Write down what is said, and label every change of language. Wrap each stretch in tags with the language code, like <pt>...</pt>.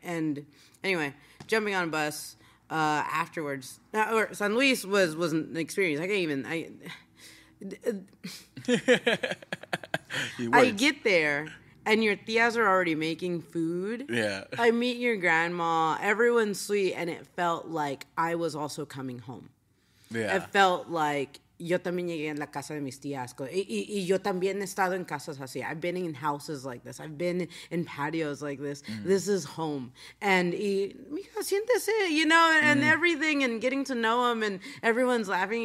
<en>And anyway, jumping on a bus, afterwards, or San Luis was an experience. I get there. And your tías are already making food. Yeah. I meet your grandma. Everyone's sweet. And it felt like I was also coming home. Yeah. It felt like,</en> <es>yo también llegué en la casa de mis tías. Y yo también he estado en casas así.</es> <en>I've been in houses like this. I've been in patios like this. Mm. This is home. And,</en> <es>mija, siéntese,</es> <en>you know, and everything. And getting to know them. And everyone's laughing.</en>